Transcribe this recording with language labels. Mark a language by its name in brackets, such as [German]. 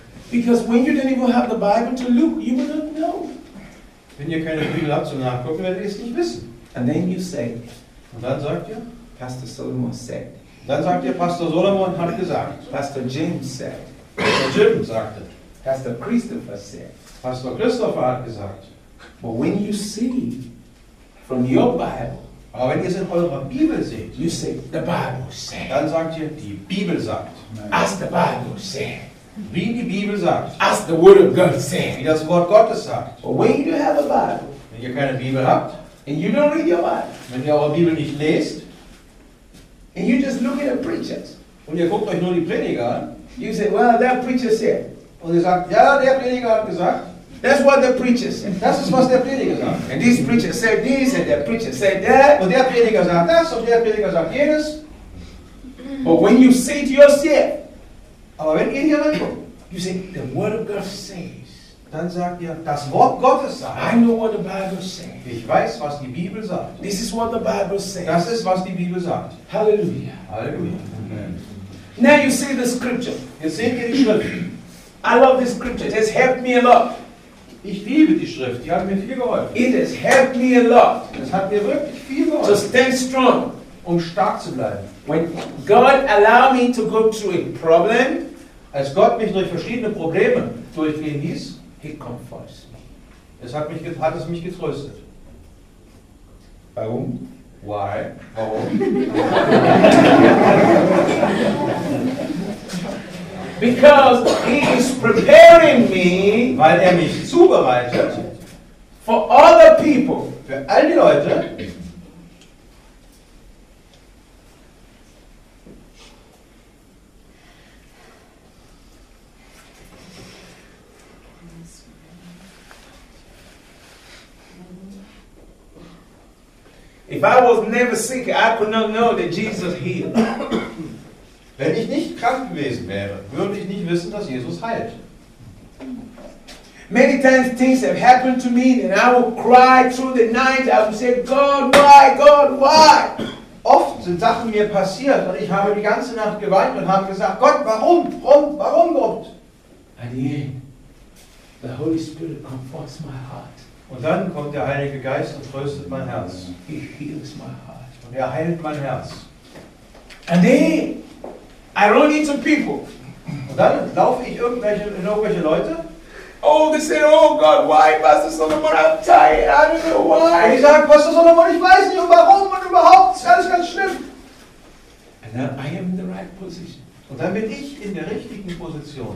[English] Because when you didn't even have the Bible to Luke, you would not know. [German] Wenn ihr keine Bibel habt zum Nachgucken, werdet ihr es nicht wissen. [English] And then you say. [German] Und dann sagt ihr. [English] Pastor Solomon said. [German] Dann sagt ihr, Pastor Solomon hat gesagt. [English] Pastor James said. [German] Pastor Jim sagte. [English] Pastor Christopher said. [German] Pastor Christopher hat gesagt. [English] But when you see from your Bible. [German] Aber wenn ihr es in eurer Bibel seht. [English] You say, the Bible said. [German] Dann sagt ihr, die Bibel sagt. [English] As the Bible said. [German] Wie die Bibel sagt. [English] As the Word of God said. [German] Wie das Wort Gottes sagt. [English] But when you have a Bible. [German] Wenn ihr keine Bibel habt. [English] And you don't read your Bible. [German] Wenn ihr eure Bibel nicht lest. [English] And you just look at the preachers. [German] Und ihr guckt euch nur die Prediger an. [English] You say, well, that preacher said. [German] Und ihr sagt, ja, der Prediger hat gesagt. [English] That's what the preacher said. [German] Das ist, was der Prediger sagt. [English] And this preacher said this, and that preacher said that. [German] Und der Prediger sagt das, und der Prediger sagt jenes. [English] But when you see it yourself. [German] Aber wenn ihr hier reinkommt. [English] You say, the Word of God says. [German] Dann sagt ihr, das Wort Gottes sagt. [English] I know what the Bible says. [German] Ich weiß, was die Bibel sagt. [English] This is what the Bible says. [German] Das ist, was die Bibel sagt. [English] Hallelujah. [German] Hallelujah. [English] Amen. Now you see the scripture. [German] Jetzt seht ihr die Schrift. [English] I love this scripture. It has helped me a lot. [German] Ich liebe die Schrift. Die hat mir viel geholfen. [English] It has helped me a lot. [German] Das hat mir wirklich viel geholfen. [English] To stand strong. [German] Um stark zu bleiben. [English] When God allow me to go through a problem. [German] Als Gott mich durch verschiedene Probleme durchgehen ließ. [English] He comforts me. [German] Es hat mich, hat es mich getröstet. Warum? [English] Why? [German] Warum? [English] Because he is preparing me, [German] weil er mich zubereitet, [English] for all the people, [German] für all die Leute, [English] if I was never sick, I could not know that Jesus healed. [German] Wenn ich nicht krank gewesen wäre, würde ich nicht wissen, dass Jesus heilt. [English] Many times things have happened to me and I will cry through the night. I will say, God, why, God, why? [German] Oft sind Sachen mir passiert und ich habe die ganze Nacht geweint und habe gesagt, Gott, warum, warum, warum, Gott? [English] At the end, the Holy Spirit comforts my heart. [German] Und dann kommt der Heilige Geist und tröstet mein Herz. [English] He heals my heart. [German] Und er heilt mein Herz. [English] And then, I run into people. [German] Und dann laufe ich irgendwelche Leute. [English] Oh, they say, oh God, why, Pastor Solomon, I'm tired, I don't know why. [German] Und ich sage, Pastor Solomon, ich weiß nicht, warum und überhaupt, ist alles ganz schlimm. [English] And then I am in the right position. [German] Und dann bin ich in der richtigen Position.